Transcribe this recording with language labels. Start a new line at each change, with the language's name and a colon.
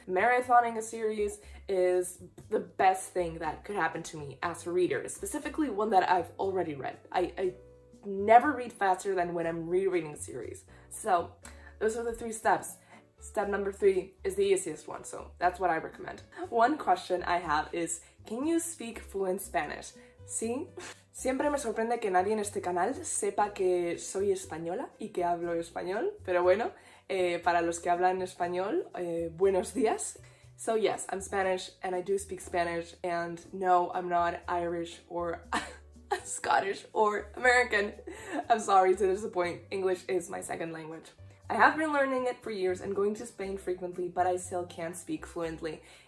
English: Marathoning a series is the best thing that could happen to me as a reader, specifically one that I've already read. I never read faster than when I'm rereading a series. So those are the three steps. Step number three is the easiest one, so that's what I recommend. One question I have is, can you speak fluent Spanish?
Spanish: Sí. Siempre me sorprende que nadie en este canal sepa que soy española y que hablo español, pero bueno, para los que hablan español, buenos días.
English: So yes, I'm Spanish and I do speak Spanish, and no, I'm not Irish or Scottish or American. I'm sorry to disappoint. English is my second language. I have been learning it for years and going to Spain frequently, but I still can't speak fluently.